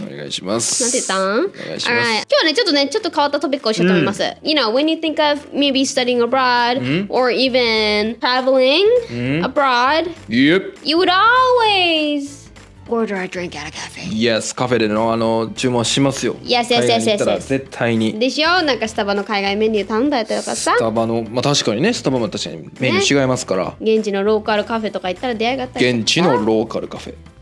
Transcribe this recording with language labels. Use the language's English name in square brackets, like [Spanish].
[Japanese] 今日はね、ちょっとね、ちょっと変わったトピックをしようと思います。 [English] You know, when you think of maybe studying abroad or even traveling abroad, you would always order a drink at a cafe. [Japanese] Yes, カフェでの、あの、注文しますよ。 [English] Yes, yes, yes, yes. [Japanese] 絶対に。でしょ？なんかスタバの海外メニュー頼んだりとかさ。スタバの、まあ確かにね、スタバも確かにメニュー違いますから。ね、現地のローカルカフェとか行ったら出会いがあったり。現地のローカルカフェ。